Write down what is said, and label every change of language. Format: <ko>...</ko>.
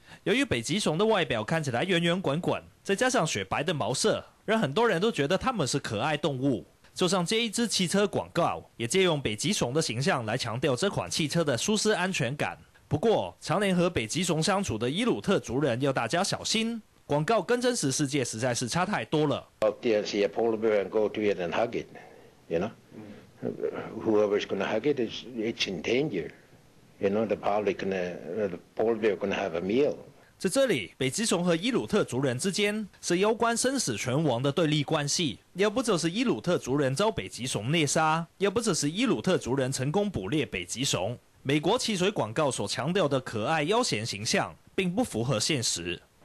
<zh>由于北极熊的外表看起来圆圆滚滚，再加上雪白的毛色，让很多人都觉得它们是可爱动物。就像这一支汽车广告，也借用北极熊的形象来强调这款汽车的舒适安全感。不过，常年和北极熊相处的伊努特族人要大家小心，广告跟真实世界实在是差太多了。</zh> <en>Oh, dear, see a polar bear and go to it and hug it, you know. Whoever's gonna hug it is it's in danger. You know, the public gonna, the polar bear gonna have a meal.</en> <zh>在这里，北极熊和伊努特族人之间是攸关生死存亡的对立关系。要不就是伊努特族人遭北极熊猎杀，要不就是伊努特族人成功捕猎北极熊。美国汽水广告所强调的可爱悠闲形象并不符合现实。</zh>